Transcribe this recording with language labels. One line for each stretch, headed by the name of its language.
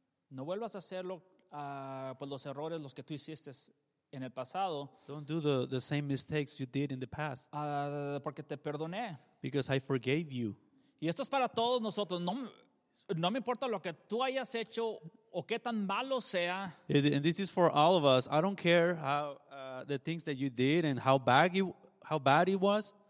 Spanish: No vuelvas a hacerlo por los errores los que tú hiciste en el pasado.
English: Don't do the same mistakes you did in the past.
Spanish: Porque te perdoné.
English: Because I forgave you.
Spanish: Y esto es para todos nosotros. No me importa lo que tú hayas hecho o qué tan malo sea.
English: And this is for all of us. I don't care how the things that you did and how bad it was.